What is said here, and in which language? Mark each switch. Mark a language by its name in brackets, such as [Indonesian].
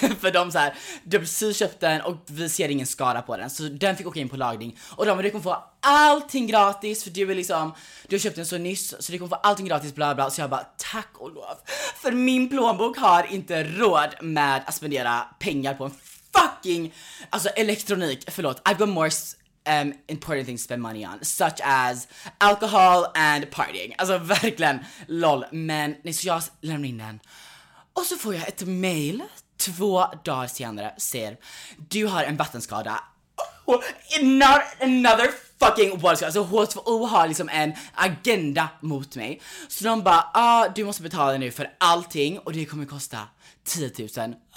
[Swedish] För de så här, du precis köpte den och vi ser ingen skada på den. Så den fick åka in på lagning. Och de bara, du kommer få allting gratis. För du är liksom, du har köpt den så nyss. Så du kommer få allting gratis, bla bla. Så jag bara, tack och lov. För min plånbok har inte råd med att spendera pengar på en fucking, alltså elektronik. Förlåt, [English] I've got more important things to spend money on, such as alcohol and partying. [Swedish] Alltså verkligen lol. Men nej, så jag lämnar in den. Och så får jag ett mail 2 dagar senare, säger, du har en vattenskada. [English] Oh, not another fucking [Swedish] vattenskada. Alltså H2O har liksom en agenda mot mig. Så de bara, du måste betala nu för allting och det kommer kosta 10 000.